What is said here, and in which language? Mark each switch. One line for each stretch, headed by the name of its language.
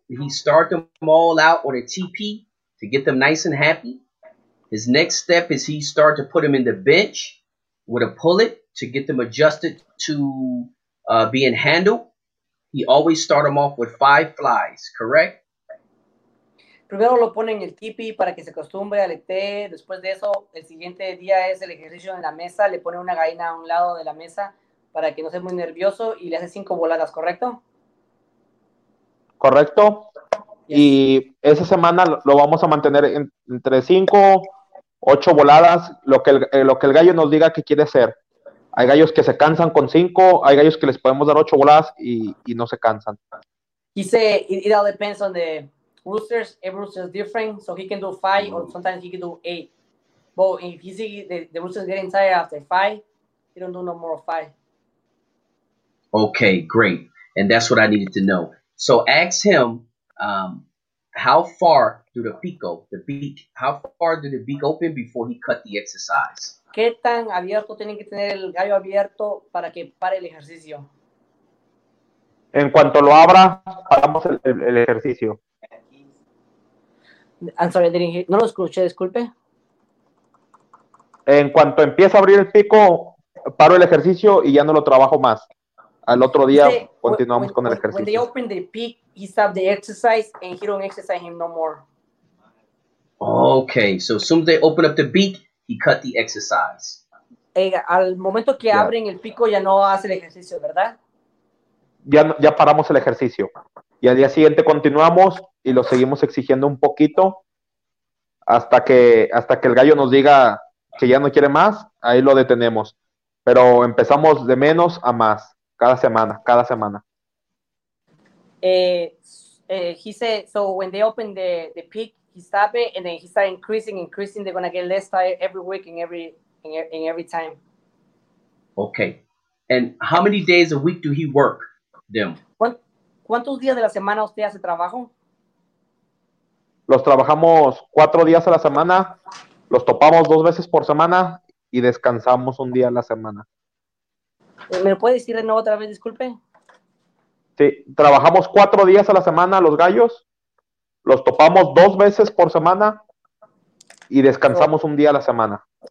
English: He started them all out on a teepee to get them nice and happy. His next step is he started to put them in the bench with a pullet to get them adjusted to being handled. He always start them off with 5 flies, correct?
Spanish: Primero lo ponen en el tipi para que se acostumbre, aletee. Después de eso, el siguiente día es el ejercicio en la mesa. Le pone una gallina a un lado de la mesa para que no sea muy nervioso y le hace 5 voladas, ¿correcto? Correcto.
English: Yes.
Spanish: Y esa semana lo vamos a mantener entre 5, 8 voladas, lo que el gallo nos diga que quiere hacer. Hay gallos que se cansan con 5, hay gallos que les podemos dar 8 voladas y no se cansan.
English: He said it all depends on the roosters. Every rooster is different, so he can do 5 or sometimes he can do 8. But if he see the roosters getting tired after 5, he don't do no more 5. Okay, great. And that's what I needed to know. So ask him, how far do the beak open before he cut the exercise?
Spanish: ¿Qué tan abierto tiene que tener el gallo abierto para que pare el ejercicio? En cuanto lo abra, paramos el ejercicio.
English: I'm sorry,
Spanish: no lo escuché, disculpe. En cuanto empieza a abrir el pico, paro el ejercicio y ya no lo trabajo más. Al otro día continuamos con el ejercicio.
English: When they open the pick, he stops the exercise and he don't exercise him no more. Okay, so as soon as they open up the beak, he cut the exercise.
Spanish: Al momento que abren el pico, ya no hace el ejercicio, ¿verdad? Ya paramos el ejercicio. Y al día siguiente continuamos y lo seguimos exigiendo un poquito hasta que el gallo nos diga que ya no quiere más, ahí lo detenemos. Pero empezamos de menos a más. Cada semana.
English: He said, so when they open the pick, he stop it, and then he start increasing, they're going to get less tired every week and every time. Okay. And how many days a week do he work them?
Spanish: ¿Cuántos días de la semana usted hace trabajo? Los trabajamos 4 días a la semana, los topamos 2 veces por semana, y descansamos un día a la semana. ¿Me lo puede decir de nuevo otra vez, disculpe? Sí, trabajamos 4 días a la semana los gallos, los topamos 2 veces por semana y descansamos un día a la semana.